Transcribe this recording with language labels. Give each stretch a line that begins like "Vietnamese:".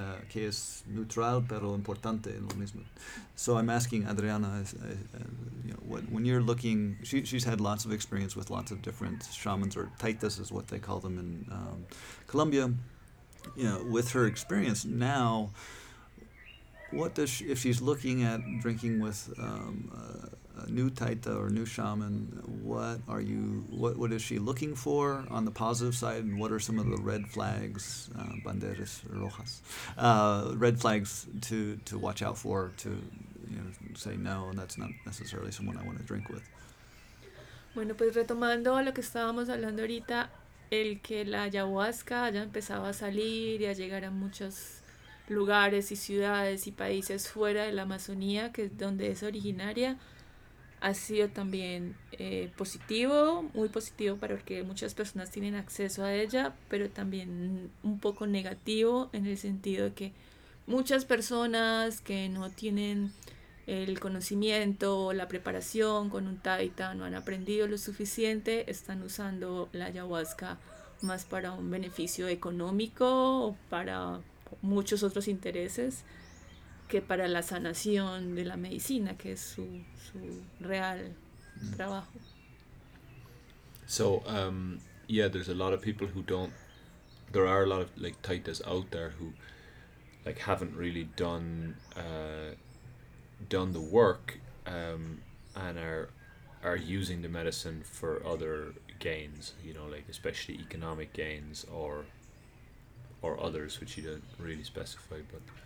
Spanish: ¿Qué es neutral pero importante en lo mismo?
English: So I'm asking Adriana, when you're looking, she's had lots of experience with lots of different shamans, or taitas is what they call them in Colombia. You know, with her experience now, what does she, if she's looking at drinking with new Taita or new shaman, what is she looking for on the positive side, and what are some of the red flags,
Spanish: banderas rojas,
English: red flags to watch out for, to, you know, say no, and that's not necessarily someone I want to drink with.
Spanish: Bueno, pues retomando lo que estábamos hablando ahorita, el que la ayahuasca haya empezado a salir y a llegar a muchos lugares y ciudades y países fuera de la Amazonía, que es donde es originaria, ha sido también positivo, muy positivo, porque muchas personas tienen acceso a ella, pero también un poco negativo en el sentido de que muchas personas que no tienen el conocimiento o la preparación con un taita, no han aprendido lo suficiente, están usando la ayahuasca más para un beneficio económico o para muchos otros intereses que para la sanación de la medicina, que es su real trabajo.
English: So, yeah, there's a lot of people who don't, there are a lot of like taitas out there who like haven't really done done the work, and are using the medicine for other gains, you know, like especially economic gains or others, which you don't really specify, but.